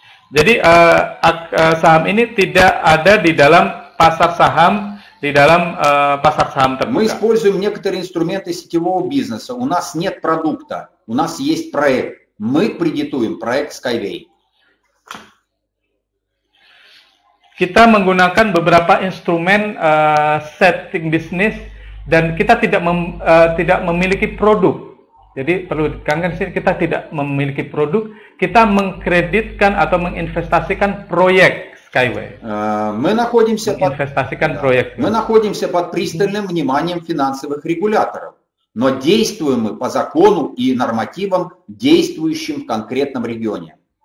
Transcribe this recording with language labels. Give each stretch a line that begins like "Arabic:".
Indonesian: Jadi saham ini tidak ada di dalam pasar saham. Di dalam pasar saham terbuka.
Russian: Мы используем некоторые инструменты сетевого бизнеса. У нас нет продукта, у нас есть проект. Мы кредитуем проект Skyway.
Indonesian: Kita menggunakan beberapa instrumen setting bisnis dan kita tidak memiliki produk. Jadi perlu dikatakan sih kita tidak memiliki produk. Kita mengkreditkan atau menginvestasikan proyek.
Russian: Мы находимся под пристальным вниманием финансовых регуляторов, но действуем мы по закону и нормативам, действующим в конкретном регионе.